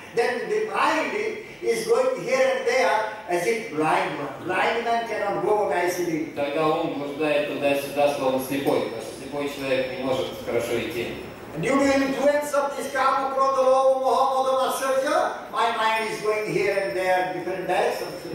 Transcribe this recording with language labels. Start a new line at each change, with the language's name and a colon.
English: Then the mind is going here and there as if blind man. Blind man cannot go nicely.
Russian: Тогда ум блуждает туда-сюда, словно слепой. Твой человек не может хорошо идти.
English: Due to influence of this karma, krodha, lobha, moha, moda, matsarya, my mind is going here and there in different directions.